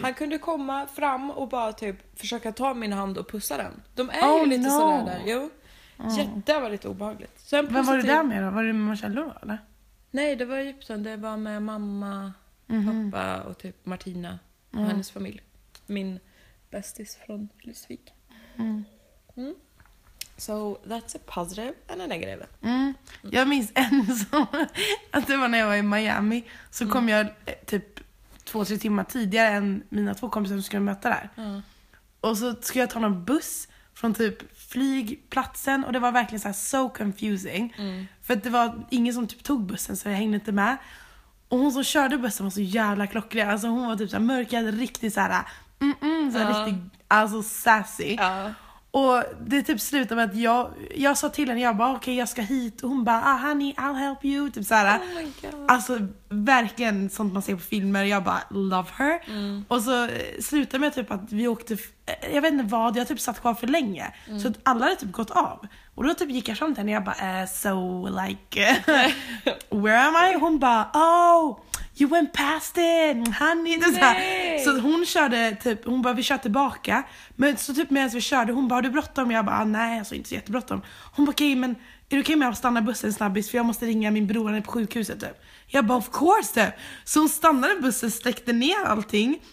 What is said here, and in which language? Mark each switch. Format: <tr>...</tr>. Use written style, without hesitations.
<sv>Han kunde komma fram och bara typ försöka ta min hand och pussa den. De är ju lite så där. Jo. Oh. Jätte var lite obehagligt. Sen positiv... var det där med då? Var det med Marcello eller? Nej, det var i Egypten. Det var med mamma, pappa och typ Martina och hennes familj. Min bästis från Lysvik.</sv> <en>So that's a positive and a negative.</en> <sv>Jag minns en som att det var när jag var i Miami, så kom jag typ 2-3 timmar tidigare än mina två kompisar som skulle möta där. Och så skulle jag ta någon buss från typ flygplatsen, och det var verkligen så här so confusing. För att det var ingen som typ tog bussen, så jag hängde inte med. Och hon som körde bussen var så jävla klockrig. Alltså hon var typ så här mörkad, riktigt så här riktigt alltså sassy. Och det typ slutade med att jag sa till henne, jag bara okej, jag ska hit.</sv> <en>Och hon bara, honey, I'll help you.</en> <sv>Typ såhär.</sv> <en>Oh my God.</en> <sv>Alltså verkligen sånt man ser på filmer. Jag bara, love her. Och så slutade med typ att vi åkte, jag vet inte vad, jag typ satt kvar för länge. Så att alla hade typ gått av. Och då typ gick jag fram till henne, jag bara, so like, where am I?</sv> <en>Hon bara, oh, you went past it, honey.</en> <sv>Det så, så hon körde typ, hon bara, vi kör tillbaka. Men så typ medan vi körde, hon bara, har du bråttom? Jag bara, nej, alltså inte så jättebråttom. Hon bara, okej, men är du okej med att stanna bussen snabbis? För jag måste ringa min bror, han är på sjukhuset typ. Jag bara, of course typ. Så hon stannade bussen, sträckte ner allting.</sv>